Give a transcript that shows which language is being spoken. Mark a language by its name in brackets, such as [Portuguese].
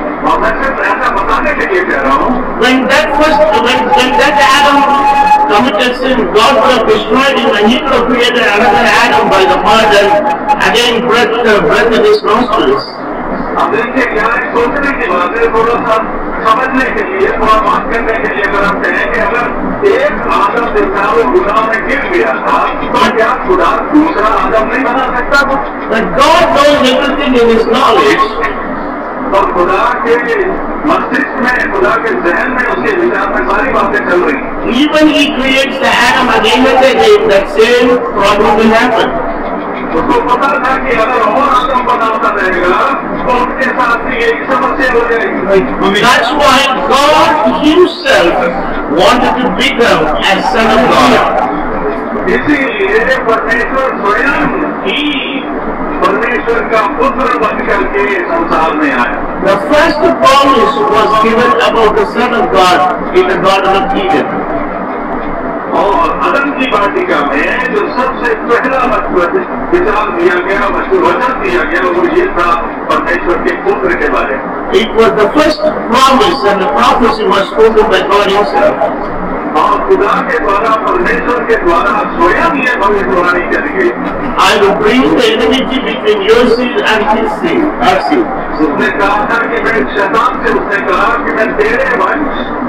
[Hindi] और मैं सिर्फ ऐसा बताने के लिए कह रहा हूँ। [English] When that Adam committed sin, God could have destroyed him, and He could have created another Adam by the fire, and again breathed the breath in his nostrils. [Hindi] देखिए क्या है सोचने की बात है, थोड़ा सा समझने के लिए, थोड़ा बात करने के लिए अगर हम कहें कि अगर एक आदम जो था वो गुनाह में गिर गया था तो क्या खुदा दूसरा आदम नहीं बना सकता? वो [English] God knows everything in his knowledge, [Hindi] और खुदा के मस्तिष्क में, खुदा के जहन में उसके विचार में सारी बातें चल रही हैं। [English] Even he creates the atom again and again, that same problem will happen. [Hindi] उसको पता था कि अगर और आत्म बनाता रहेगा तो उसके साथ भी यही समस्या हो जाएगी। [English] That's why God himself wanted to become a son of God. [Hindi] इसीलिए परमेश्वर स्वयं ही परमेश्वर का पुत्र बनकर के संसार में आया। [English] The first promise was given about the son of God in the Garden of Eden. [Hindi] और अदन की वाटिका में जो सबसे पहला विचार दिया गया, वचन दिया गया, वो ये था परमेश्वर के पुत्र के बारे में। [English] It was the first promise and the prophecy was spoken by God himself. [Hindi] और खुदा के द्वारा, परमेश्वर के द्वारा स्वयं ये भविष्यवाणी करी गई। [English] I will bring the enmity between your seed and his seed. [Hindi] उसने कहा था कि मैं शैतान से, उसने कहा कि मैं तेरे वंश